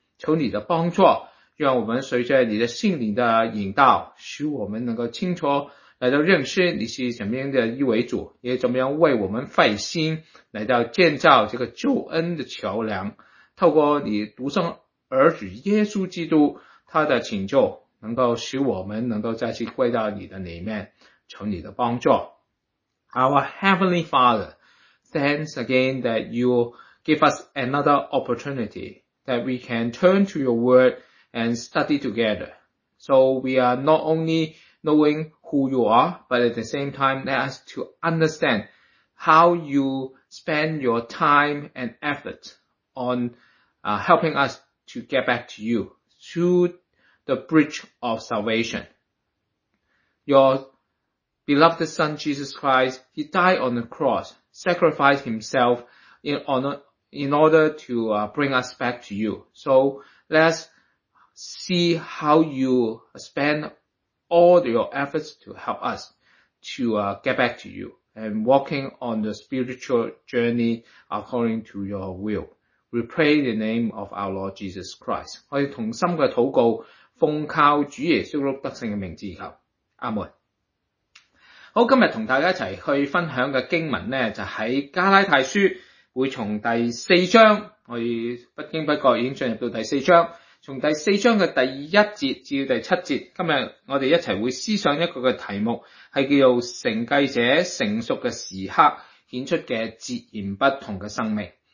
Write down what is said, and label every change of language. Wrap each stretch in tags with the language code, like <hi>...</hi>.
<zh>求你的帮助，让我们随着你的圣灵的引导，使我们能够清楚来到认识你是怎么样的一位主，也怎么样为我们费心来到建造这个救恩的桥梁，透过你独生儿子耶稣基督他的请求，能够使我们能够再次归到你的里面，求你的帮助。</zh> <en>Our Heavenly Father, thanks again that you give us another opportunity that we can turn to your word and study together. So we are not only knowing who you are, but at the same time, let us to understand how you spend your time and effort on helping us to get back to you through the bridge of salvation. Your beloved Son Jesus Christ, He died on the cross, sacrificed Himself in order to bring us back to you. So let's see how you spend all your efforts to help us to get back to you and walking on the spiritual journey according to your will. We pray in the name of our Lord Jesus Christ.</en> <zh>我们同心的祷告，奉靠主耶稣基督得胜的名字求，阿们。好，今天同大家一起去分享的经文呢，就在加拉太书，会从第四章，我们不经不觉已经进入到第四章，从第四章的第一节至第七节，今天我们一起会思想一个的题目，是叫做承继者成熟的时刻显出的截然不同的生命。</zh>